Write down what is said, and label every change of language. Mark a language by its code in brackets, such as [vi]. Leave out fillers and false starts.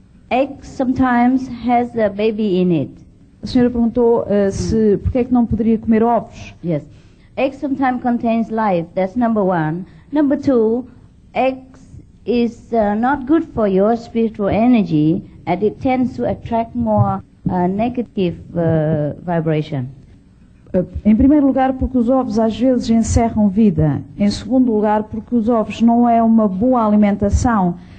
[en] Eggs sometimes has a baby in it. [pt] A senhora perguntou porque é que não poderia comer ovos. [en] Yes. Eggs sometimes contains life, that's number one. Number two, eggs is not good for your spiritual energy, and it tends to attract more negative vibration. [pt] Em primeiro lugar, porque os ovos às vezes encerram vida. Em segundo lugar, porque os ovos não é uma boa alimentação.